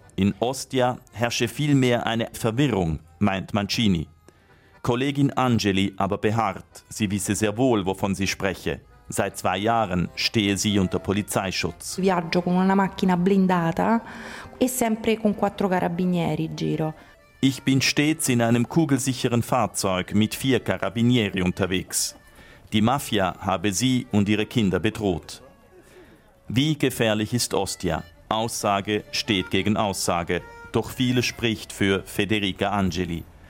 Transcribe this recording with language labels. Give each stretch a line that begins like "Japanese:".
German: In Ostia herrsche vielmehr eine Verwirrung, meint Mancini. Kollegin Angeli aber beharrt, sie wisse sehr wohl, wovon sie spreche. Seit 2 Jahren stehe sie unter Polizeischutz.
Italian: Viaggio con una macchina blindata e sempre con 4 carabinieri giro.
German: Ich bin stets in einem kugelsicheren Fahrzeug mit 4 Carabinieri unterwegs. Die Mafia habe sie und ihre Kinder bedroht. Wie gefährlich ist Ostia? Aussage steht gegen Aussage. Doch viele spricht für Federica Angeli.